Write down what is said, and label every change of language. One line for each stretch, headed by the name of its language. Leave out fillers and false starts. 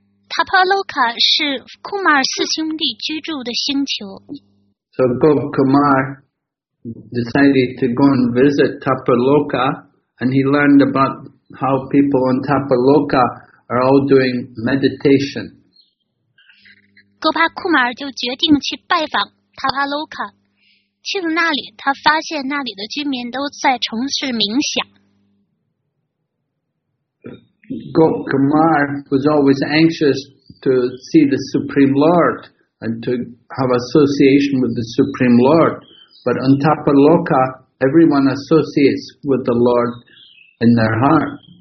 Chinese: Tapoloka 是 Kumar 四兄弟居住的星球。
English: So Gop Kumar decided to go and visit Tapoloka, and he learned about how people on Tapoloka are all doing meditation.
Chinese: Gopa Kumar 就决定去拜访Tapoloka。去了那里, 他发现那里的居民都在从事冥想。
English: Gop Kumar was always anxious to see the Supreme Lord and to have association with the Supreme Lord. But on Tapoloka, everyone associates with the Lord in their heart.